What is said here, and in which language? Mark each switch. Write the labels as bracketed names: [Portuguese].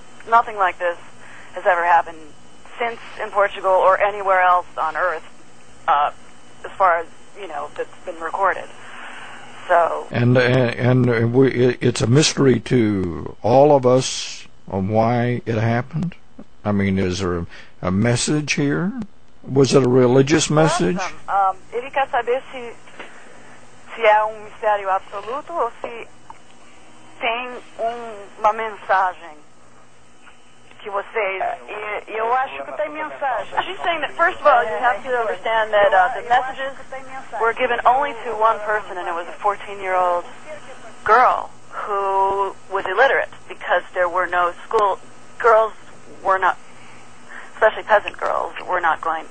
[English] Nothing like this has ever happened since in Portugal or anywhere else on Earth, as far as, you know, that's been recorded. So. And it's a mystery to all of us on why it happened. I mean, is there a message here? Was it a religious message? [Portuguese] Ele quer saber se é mistério absoluto ou se tem uma mensagem. Que vocês, eu acho que tem mensagem. [English] She's saying that, first of all, you have to understand that the messages were given only to one person, and it was a 14-year-old girl who was illiterate, because there were no school. Girls were not, especially peasant girls, were not going.